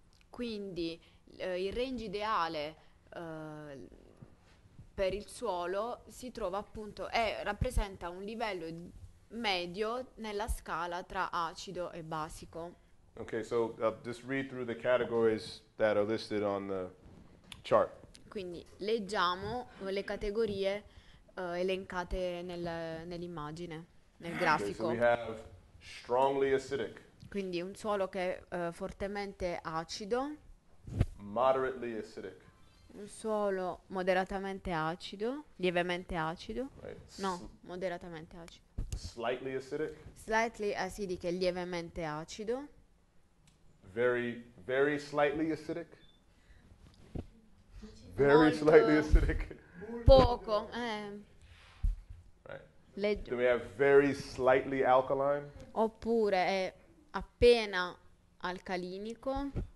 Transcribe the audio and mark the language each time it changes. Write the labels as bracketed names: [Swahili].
[Italian] Quindi il range ideale per il suolo si trova appunto, rappresenta un livello medio nella scala tra acido e basico. [English] Okay, so I'll just read through the categories that are listed on the chart. [Italian] Quindi leggiamo le categorie elencate nell'immagine, nel [English] Okay, so we [Italian] grafico. [English] have strongly acidic, [Italian] Quindi un suolo che è fortemente acido, [English] moderately acidic. [Italian] un suolo moderatamente acido, lievemente acido, [English] Right. [Italian] no, moderatamente acido. [English] Slightly acidic. Slightly acidic [Italian] e lievemente acido. [English] Very, very slightly acidic. Very slightly [Italian] Molto [English] acidic. [Italian] poco. [English] Do we have very slightly alkaline? [Italian] Oppure è appena alcalinico.